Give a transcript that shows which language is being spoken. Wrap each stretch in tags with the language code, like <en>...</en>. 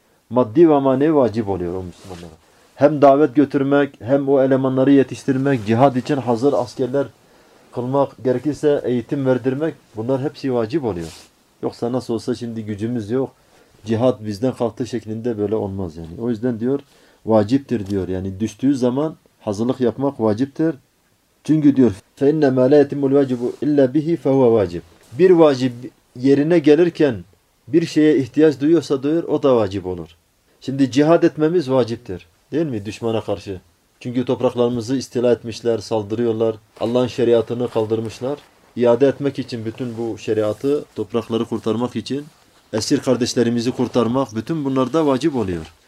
<tr>Maddi ve manevi vacip oluyor o Müslümanlara. Hem davet götürmek, hem o elemanları yetiştirmek, cihat için hazır askerler kılmak, gerekirse eğitim verdirmek bunlar hepsi vacip oluyor. Yoksa nasıl olsa şimdi gücümüz yok. Cihad bizden kalktı şeklinde böyle olmaz yani. O yüzden diyor vaciptir diyor. Yani düştüğü zaman hazırlık yapmak vaciptir. Çünkü diyor</tr> <ar>فَاِنَّ مَا لَا يَتِمُّ الْوَاجِبُ اِلَّا بِهِ فَهُوَ وَاجِبُ.</ar> <tr>Bir vacip yerine gelirken bir şeye ihtiyaç duyuyorsa duyur o da vacip olur. Şimdi cihad etmemiz vaciptir. Değil mi düşmana karşı? Çünkü topraklarımızı istila etmişler, saldırıyorlar. Allah'ın şeriatını kaldırmışlar. İade etmek için bütün bu şeriatı, toprakları kurtarmak için esir kardeşlerimizi kurtarmak bütün bunlar da vacip oluyor.</tr>